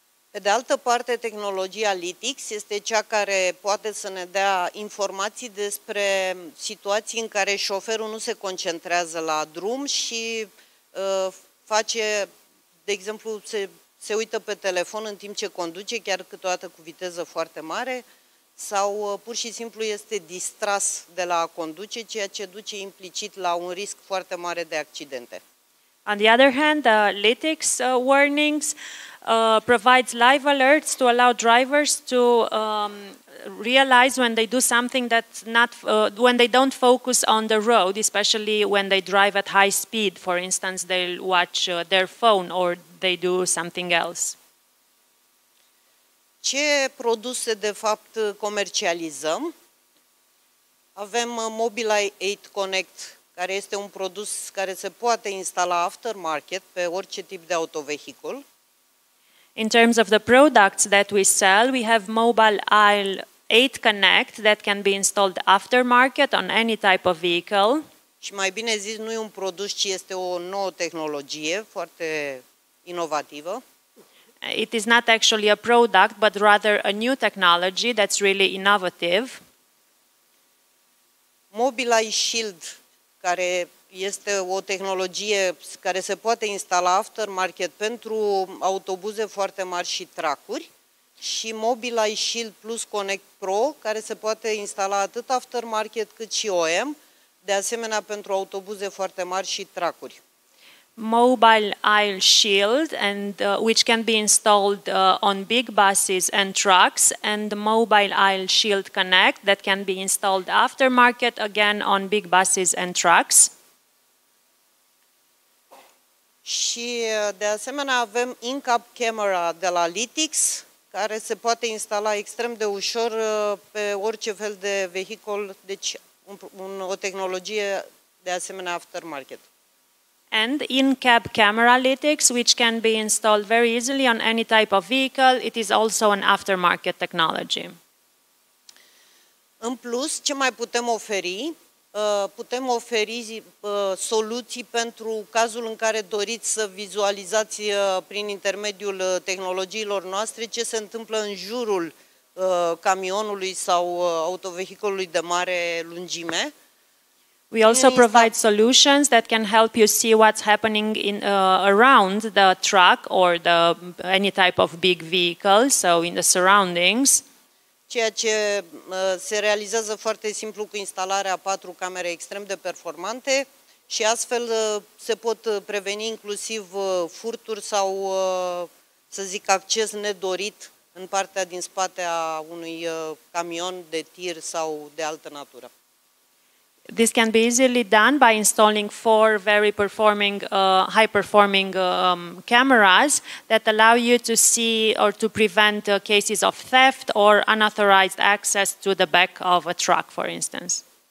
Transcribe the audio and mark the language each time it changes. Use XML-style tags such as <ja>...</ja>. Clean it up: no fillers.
<ro>Pe de altă parte, tehnologia Lytics este cea care poate să ne dea informații despre situații în care șoferul nu se concentrează la drum și face, de exemplu, se uită pe telefon în timp ce conduce, chiar câteodată cu viteză foarte mare, sau pur și simplu este distras de la a conduce, ceea ce duce implicit la un risc foarte mare de accidente.</ro> <en>On the other hand, the lytics warnings provides live alerts to allow drivers to realize when they do something that's not when they don't focus on the road, especially when they drive at high speed. For instance, they watch their phone or they do something else.</en> <ro>Ce produse de fapt comercializăm? Avem Mobileye 8 Connect, care este un produs care se poate instala aftermarket pe orice tip de autovehicul.</ro> <en>In terms of the products that we sell, we have Mobileye 8 Connect that can be installed aftermarket on any type of vehicle.</en> <ro>Și mai bine zis, nu e un produs, ci este o nouă tehnologie foarte inovativă.</ro> <en>It is not actually a product, but rather a new technology that's really innovative.</en> <ro>Mobileye Shield, care este o tehnologie care se poate instala aftermarket pentru autobuze foarte mari și truck-uri, și Mobileye Shield Plus Connect Pro, care se poate instala atât aftermarket cât și OEM, de asemenea pentru autobuze foarte mari și truck-uri.</ro> <en>Mobileye Shield, and which can be installed on big buses and trucks, and Mobileye Shield Connect that can be installed aftermarket again on big buses and trucks.</en> <ro>Și de asemenea avem in-cap camera de la Lytics, care se poate instala extrem de ușor pe orice fel de vehicul, deci o tehnologie de asemenea aftermarket.</ro> <en>And in-cab camera analytics, which can be installed very easily on any type of vehicle. It is also an aftermarket technology.</en> <ro>În plus, ce mai putem oferi? Putem oferi soluții pentru cazul în care doriți să vizualizați prin intermediul tehnologiilor noastre ce se întâmplă în jurul camionului sau autovehicolului de mare lungime.</ro> <en>We also provide solutions that can help you see what's happening in around the truck or the any type of big vehicle, so in the surroundings.</en> <ro>Ceea ce se realizează foarte simplu cu instalarea patru camere extrem de performante și astfel se pot preveni inclusiv furturi sau, să zic, acces nedorit în partea din spate a unui camion de tir sau de altă natură.</ro> <en>This can be easily done by installing four very performing, high-performing cameras that allow you to see or to prevent cases of theft or unauthorized access to the back of a truck, for instance.</en>